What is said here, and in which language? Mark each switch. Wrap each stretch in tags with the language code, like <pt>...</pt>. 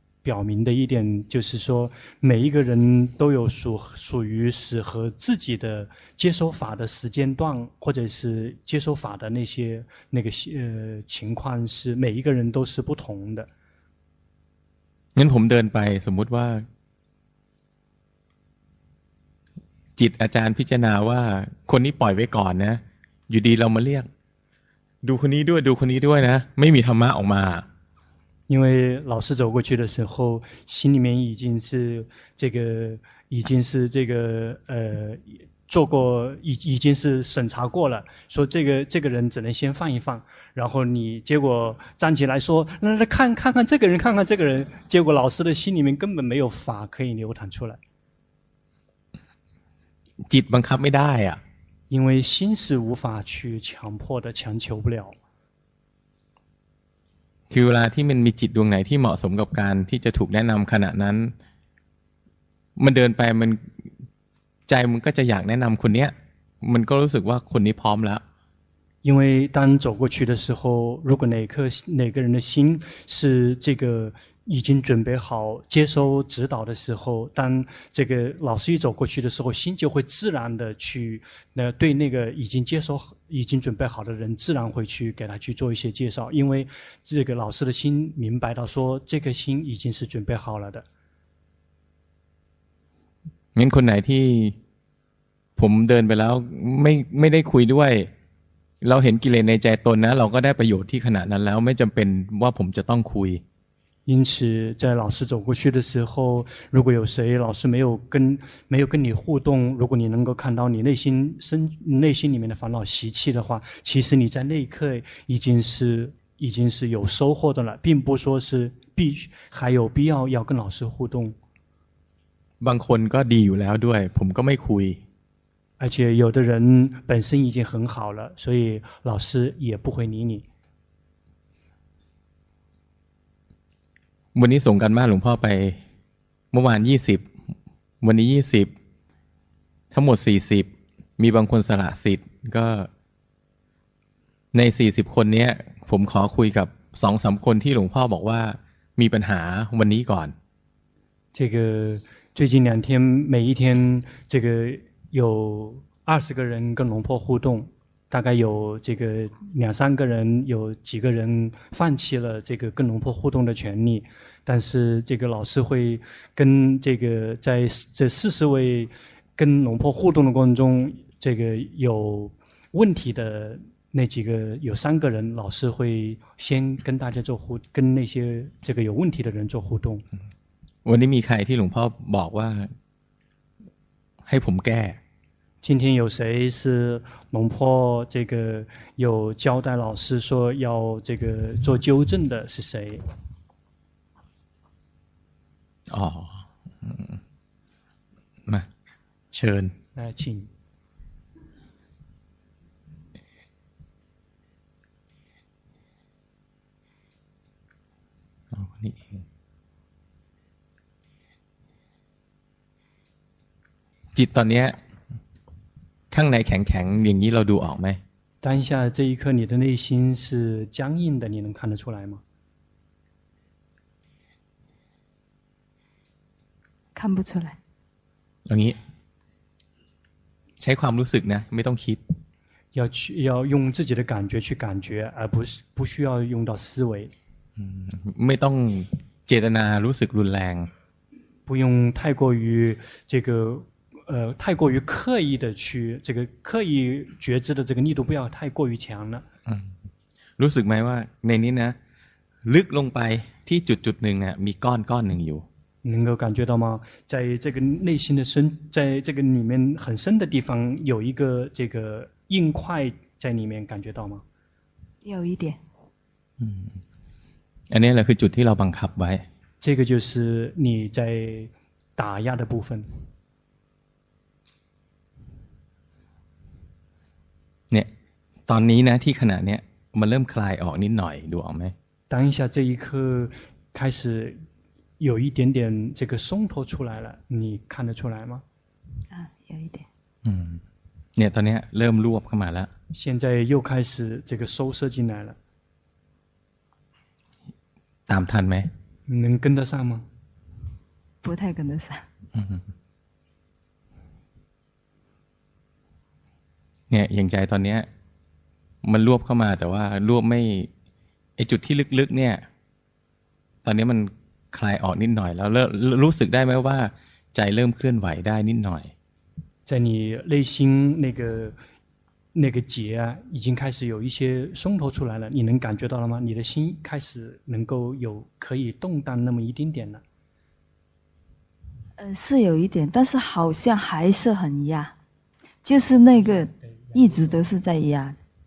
<zh>表明的一点就是说，每一个人都有属于适合自己的接收法的时间段，或者是接收法的那个情况是每一个人都是不同的。</zh> <th>งั้นผมเดินไปสมมติว่าจิตอาจารย์พิจารณาว่าคนนี้ปล่อยไว้ก่อนนะอยู่ดีเรามาเรียกดูคนนี้ด้วยดูคนนี้ด้วยนะไม่มีธรรมะออกมา</th> <zh>因为老师走过去的时候心里面已经是审查过了说这个人只能先放一放然后你结果站起来说那看看这个人看看这个人结果老师的心里面根本没有法可以流淌出来</zh> <th>จิตบังคับไม่ได้อะ</th> <zh>因为心是无法去强迫的强求不了</zh> <th>คือเวลาที่มันมีจิตดวงไหนที่เหมาะสมกับการที่จะถูกแนะนำขณะนั้นมันเดินไปมันใจมันก็จะอยากแนะนำคนเนี้ยมันก็รู้สึกว่าคนนี้พร้อมแล้ว</th> <zh>因为当走过去的时候如果哪个人的心是这个已经准备好接收指导的时候当这个老师一走过去的时候心就会自然的去那对那个已经接收已经准备好的人自然会去给他去做一些介绍因为这个老师的心明白到说这个心已经是准备好了的</zh> <th>งั้นคนไหนที่ผมเดินไปแล้วไม่ได้คุยด้วยเราเห็นกิเลสในใจตนนะเราก็ได้ประโยชน์ที่ขณะนั้นแล้วไม่จำเป็นว่าผมจะต้องคุย</th> <zh>因此在老师走过去的时候如果有谁老师没有跟你互动如果你能够看到你内心里面的烦恼习气的话其实你在那一刻已经是有收获的了并不说是必须还有必要要跟老师互动</zh> <th>บางคนก็ดีอยู่แล้วด้วยผมก็ไม่คุย</th> <zh>而且有的人本身已经很好了所以老师也不会理你</zh> <th>วันนี้ส่งกันบ้านหลวงพ่อไปเมื่อวาน20วันนี้20ทั้งหมด40มีบางคนสละสิทธิ์ก็ใน40คนเนี้ยผมขอคุยกับ 2-3 คนที่หลวงพ่อบอกว่ามีปัญหาวันนี้ก่อน</th> <zh>这个最近两天每一天这个有20个人跟龙婆互动大概有这个两三个人有几个人放弃了这个跟龙婆互动的权利但是这个老师会跟这个在这40位跟龙婆互动的过程中这个有问题的那几个有三个人老师会先跟大家做互跟那些这个有问题的人做互动</zh> <th>วันนี้มีใครที่หลวงพ่อบอกว่าให้ผมแก้</th> <zh>今天有谁是龙婆这个有交代老师说要这个做纠正的是谁哦嗯来车来请哦你记得你</zh> <th>ข้างในแข็งๆอย่างนี้เราดูออกไหม</th> <zh>当下这一刻你的内心是僵硬的你能看得出来吗看不出来</zh> <th>อย่างนี้ใช้ความรู้สึกนะไม่ต้องคิด</th> <zh>要用自己的感觉去感觉而不需要用到思维</zh> <th>ไม่ต้องเจตนารู้สึกรุนแรง</th> <zh>不用太过于这个太过于刻意的去这个刻意觉知的这个力度不要太过于强了。</zh> <th>嗯，รู้สึกไหมว่าในนี้นะลึกลงไปที่จุดจุดหนึ่งเนี่ยมีก้อนก้อนหนึ่งอยู่</th> <zh>。 能够感觉到吗？在这个内心的深，在这个里面很深的地方有一个这个硬块在里面，感觉到吗？有一点。</zh> <th>嗯，อันนี้แหละคือจุดที่เราบังคับไว้。</th> <zh>这个就是你在打压的部分。</zh> <th>เนี่ยตอนนี้นะที่ขณะเนี้ยมันเริ่มคลายออกนิดหน่อยดูออกไหม</th> <zh>当下这一刻开始有一点点这个松脱出来了你看得出来吗有一点</zh> <th>เนี่ยตอนนี้เริ่มรวบเข้ามาแล้ว</th> <zh>现在又开始这个收摄进来了</zh> <th>ตามทันไหม</th> <zh>能跟得上吗不太跟得上。</zh> <th>เนี่ยอย่างใจตอนนี้มันรวบเข้ามาแต่ว่ารวบไม่ไอจุดที่ลึกๆเนี่ยตอนนี้มันคลายออกนิดหน่อยแล้วรู้สึกได้ไหมว่าใจเริ่มเคลื่อนไหวได้นิดหน่อย</th> <zh>在你内心那个结啊已经开始有一些松脱出来了你能感觉到了吗你的心开始能够有可以动荡那么一点点了是有一点但是好像还是很压就是那个一直都是在压</zh>